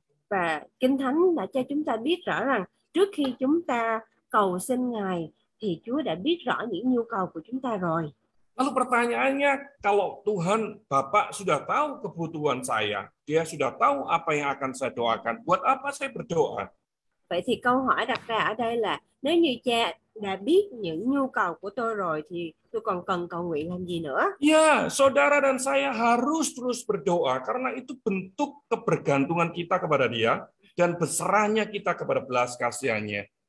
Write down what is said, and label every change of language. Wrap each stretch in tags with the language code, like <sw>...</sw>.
<vi>Và Kinh Thánh đã cho chúng ta biết rõ rằng trước khi chúng ta cầu xin Ngài thì Chúa đã biết rõ những nhu cầu của chúng ta rồi.</vi> <id>Lalu pertanyaannya, kalau Tuhan Bapa sudah tahu kebutuhan saya, Dia sudah tahu apa yang akan saya doakan, buat apa saya berdoa?</id> <vi>Vậy thì câu hỏi đặt ra ở đây là nếu như Cha đã biết những nhu cầu của tôi rồi thì tôi còn cần cầu nguyện làm gì nữa?</vi> <id>Ya, saudara dan saya harus terus berdoa karena itu bentuk kebergantungan kita kepada Dia dan berserahnya kita kepada belas kasihan-Nya.</id>